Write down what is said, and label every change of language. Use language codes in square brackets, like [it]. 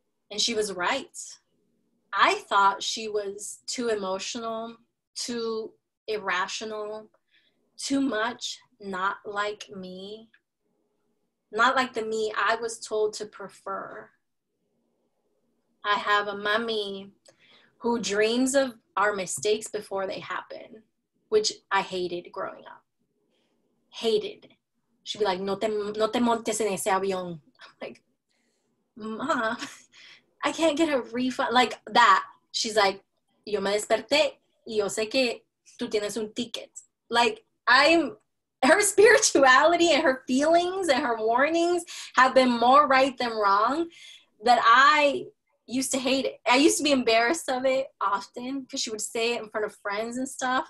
[en] And she was right. I thought she was too emotional, too irrational, too much not like me. Not like the me I was told to prefer. I have a mommy who dreams of our mistakes before they happen, which I hated growing up. Hated. She'd be like, [es] no te montes en ese avión. [en] I'm like, ma, I can't get a refund. Like that. She's like, [es] yo me desperté y yo sé que tú tienes un ticket. [en] Like, her spirituality and her feelings and her warnings have been more right than wrong that I used to hate it. I used to be embarrassed of it often because she would say it in front of friends and stuff.